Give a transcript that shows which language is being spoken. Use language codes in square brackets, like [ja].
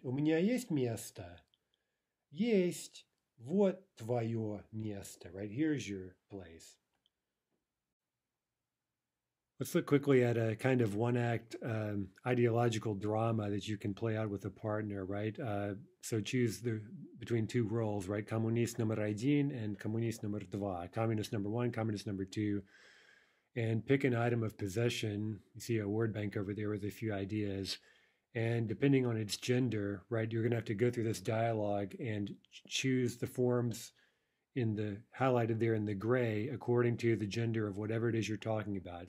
[ru] У меня есть место? Есть. Вот твое место. [en] Right, here's your place. Let's look quickly at a kind of one-act ideological drama that you can play out with a partner, right? So choose the between two roles, right? [ru] Коммунист номер один and коммунист номер два. [en] Communist number one, communist number two. And pick an item of possession. You see a word bank over there with a few ideas. And depending on its gender, right, you're going to have to go through this dialogue and choose the forms in the highlighted there in the gray according to the gender of whatever it is you're talking about.